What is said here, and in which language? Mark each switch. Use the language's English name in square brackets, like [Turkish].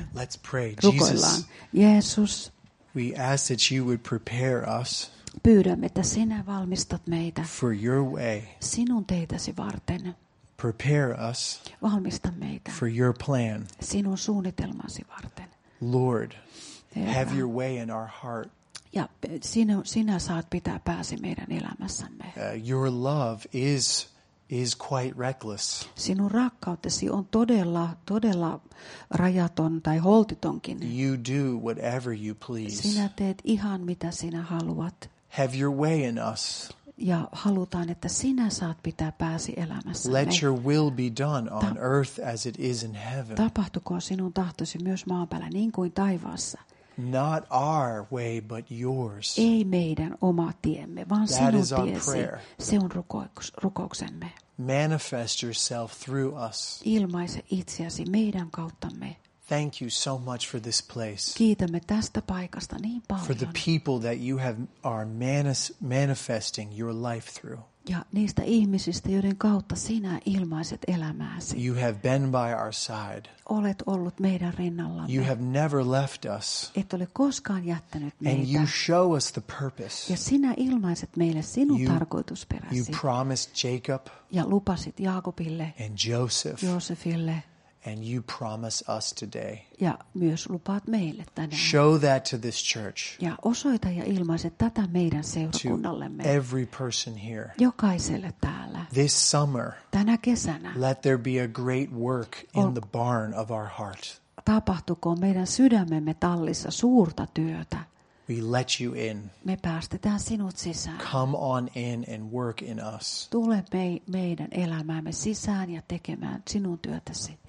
[English] Let's pray. [Finnish] Rukoillaan. [English] Jesus. We ask that you would prepare us. [Finnish] Pyydämme, että sinä valmistat meitä. [English] For your way. [Finnish] Sinun teitäsi varten. [English] Prepare us. [Finnish] Valmista meitä. [English] For your plan. [Finnish] Sinun suunnitelmasi varten. [English] Lord, Herra, have your way in our heart. [Finnish] Ja sinä saat pitää pääsi meidän elämässämme. [English] Your love is quite reckless. [Finnish] Sinun rakkautesi on todella rajaton tai holtitonkin. [English] You do whatever you please. [Finnish] Sinä teet ihan mitä sinä haluat. [English] Have your way in us. [Finnish] Ja halutaan, että sinä saat pitää pääsi elämässämme. [English] Let your will be done on earth as it is in heaven. [Finnish] Tapahtukoon sinun tahtosi myös maan päällä niin kuin taivaassa. [English] Not our way but yours. [Finnish] Ei meidän oma tiemme, vaan [English] that [Finnish] sinun [English] is our [Finnish] tiesi. [English] Prayer. [Finnish] Se on rukouksemme. [English] Manifest yourself through us. [Finnish] Ilmaise itseäsi meidän kauttamme. [English] Thank you so much for this place. [Finnish] Kiitämme tästä paikasta niin paljon. [English] For the people that you have are manifesting your life through. [Finnish] Ja niistä ihmisistä, joiden kautta sinä ilmaiset elämääsi. [English] You have been by our side. [Finnish] Olet ollut meidän rinnallamme. [English] You have never left us. [Finnish] Et ole koskaan jättänyt meitä. [English] And you show us the purpose. [Finnish] Ja sinä ilmaiset meille sinun tarkoitusperäsi. [English] You promised Jacob. [Finnish] Ja lupasit Jaakobille. [English] And Joseph. [Finnish] Joosefille. [English] And you promise us today. [Finnish] Ja myös lupaat meille tänään. [English] Show that to this church. [Finnish] Ja osoita ja ilmaise tätä meidän seurakunnallemme. [English] To every person here. [Finnish] Jokaiselle täällä. [English] This summer. [Finnish] Tänä kesänä. [English] Let there be a great work in the barn of our heart. [Finnish] Tapahtukoon meidän sydämemme tallissa suurta työtä. [English] We let you in. [Finnish] Me päästetään sinut sisään. [English] Come on in and work in us. [Finnish] Tule meidän elämäämme sisään ja tekemään sinun työtäsi.